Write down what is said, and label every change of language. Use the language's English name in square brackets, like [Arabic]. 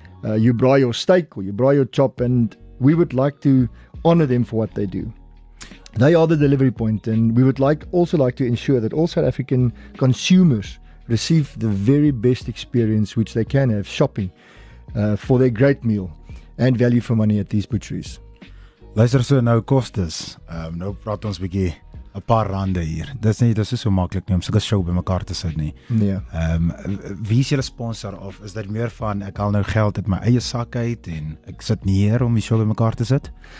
[English] You braai your steak or you braai your chop, and we would like to honor them for what they do. They are the delivery point, and we would also like to ensure that all South African consumers receive the very best experience which they can have shopping for their great meal and value for money at these butcheries. [Afrikaans] Luister, so nou kostes. Nou praat ons 'n bietjie 'n paar rande hier. Dis nie so maklik nie om so 'n show bymekaar te sit nie. Nee. Wie is julle sponsor, of is dit meer van ek haal nou geld uit my eie sak uit en ek sit nie hier om die show bymekaar te sit?